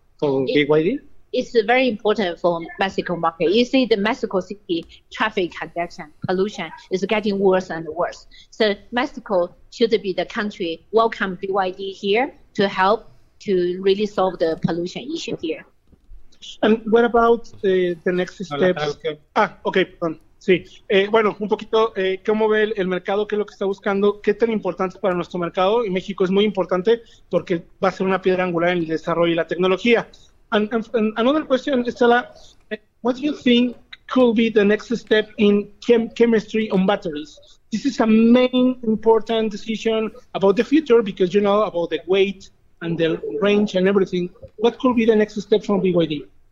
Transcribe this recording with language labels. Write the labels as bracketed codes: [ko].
[en] It's very important for Mexico market. You see the Mexico City traffic congestion, pollution is getting worse and worse. So Mexico should be the country welcome BYD here to help to really solve the pollution issue here. And what about the next steps? [es] Sí, bueno, un poquito, ¿cómo ve el mercado? ¿Qué es lo que está buscando? ¿Qué tan importante para nuestro mercado? Y México es muy importante porque va a ser una piedra angular en el desarrollo y la tecnología. [en] And another question, Estela, what do you think could be the next step in chemistry on batteries? This is a main important decision about the future because you know about the weight and the range and everything. What could be the next step from BYD?